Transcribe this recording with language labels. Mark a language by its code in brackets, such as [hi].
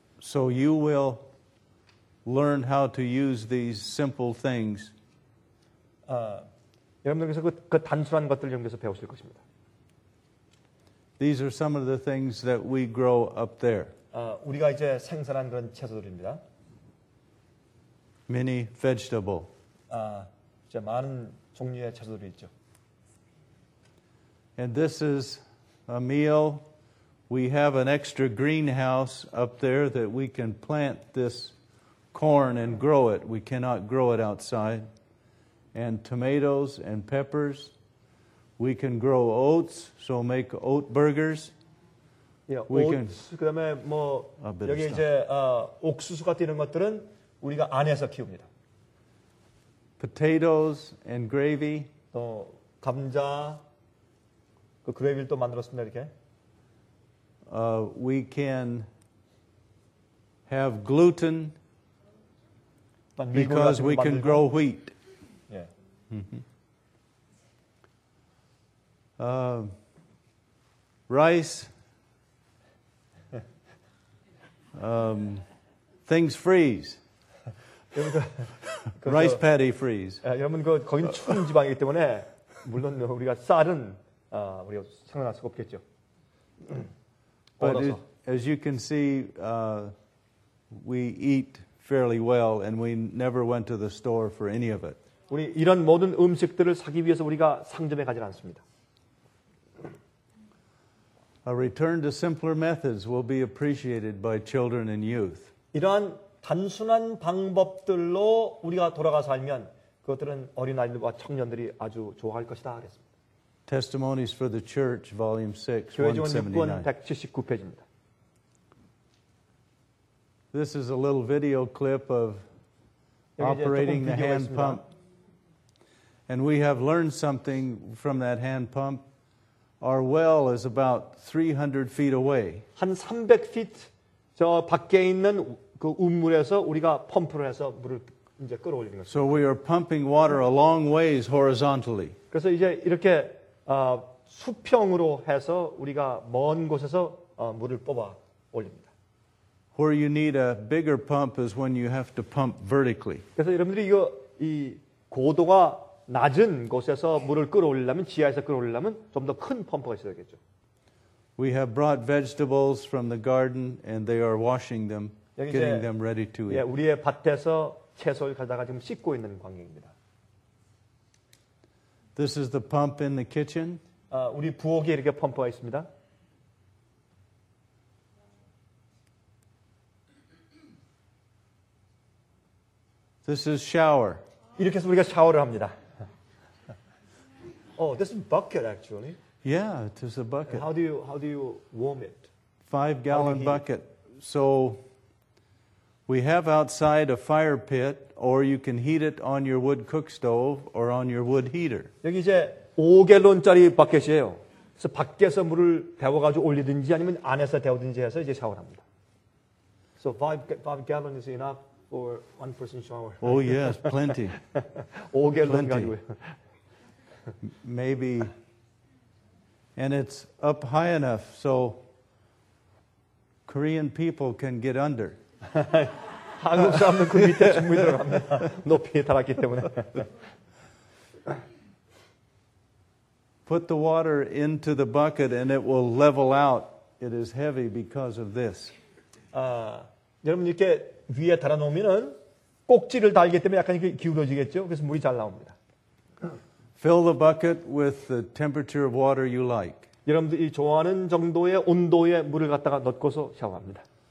[en] So you will learn how to use these simple things. [ko] 여러분들께서 그 단순한 것들 여기서 배우실 것입니다. [en] These are some of the things that we grow up there. [ko] 우리가 이제 생산한 그런 채소들입니다. [en] Many vegetable. [ko] 이제 많은 종류의 채소들이 있죠. [en] And this is a meal. We have an extra greenhouse up there that we can plant this corn and grow it. We cannot grow it outside. And tomatoes and peppers. We can grow oats, so make oat burgers. Yeah, we oats, can. [ko] 그다음에 뭐 여기 이제 옥수수 같은 이런 것들은 우리가 안에서 키웁니다. [en] Potatoes and gravy. [ko] 또 감자 그 그레이비를 또 만들었습니다 이렇게. [en] We can have gluten because we can grow wheat. Mm-hmm. Rice, things freeze. Rice paddy freeze. [ko] 여러분 그 거긴 추운 지방이기 때문에 물론 우리가 쌀은 우리가 생산할 수가 없겠죠. [en] But it, as you can see, we eat fairly well, and we never went to the store for any of it. [ko] 우리 이런 모든 음식들을 사기 위해서 우리가 상점에 가지 않습니다. [en] A return to simpler methods will be appreciated by children and youth. [ko] 이러한 단순한 방법들로 우리가 돌아가서 살면 그것들은 어린아이들과 청년들이 아주 좋아할 것이다 그랬습니다. [en] Testimonies for the Church, Volume 6, 179. [ko] 179페이지입니다. [en] This is a little video clip of operating the hand pump. And we have learned something from that hand pump. Our well is about 300 feet away. [ko] 한 300feet 저 밖에 있는 그 우물에서 우리가 펌프를 해서 물을 이제 끌어올리는 거죠. [en] So we are pumping water a long ways horizontally. [ko] 그래서 이제 이렇게 수평으로 해서 우리가 먼 곳에서 물을 뽑아 올립니다. [en] Where you need a bigger pump is when you have to pump vertically. [ko] 그래서 여러분들이 이거 이 고도가 낮은 곳에서 물을 끌어올리려면 지하에서 끌어올리려면 좀 더 큰 펌프가 있어야 되겠죠. [en] We have brought vegetables from the garden and they are washing them, getting them ready to eat. [ko] 예, 우리의 밭에서 채소를 가져다가 지금 씻고 있는 광경입니다. [en] This is the pump in the kitchen. [ko] 우리 부엌에 이렇게 펌프가 있습니다. [en] This is shower. [ko] 이렇게 해서 우리가 샤워를 합니다. [en] Oh, this is bucket actually. Yeah, it is a bucket. And how do you warm it? 5-gallon bucket. So we have outside a fire pit, or you can heat it on your wood cook stove or on your wood heater. [ko] 여기 이제 5갤런짜리 버킷이에요. 그래서 밖에서 물을 데워가지고 올리든지 아니면 안에서 데우든지 해서 이제 샤워를 합니다. [en] So five gallon is enough. Or one person shower. Oh yes, plenty. [ko] 5갤런 가지고. [en] Maybe. And it's up high enough so Korean people can get under. [ko] 한국 사람들 그 밑에 충분히 들어갑니다. 높이 달았기 때문에. [en] Put the water into the bucket and it will level out. It is heavy because of this. [ko] 여러분 이렇게 위에 달아놓으면 꼭지를 달기 때문에 약간 이렇게 기울어지겠죠. 그래서 물이 잘 나옵니다. [en] Fill the bucket with the temperature of water you like. [ko] 여러분들이 좋아하는 정도의 온도의 물을 갖다가 넣고서 샤워합니다.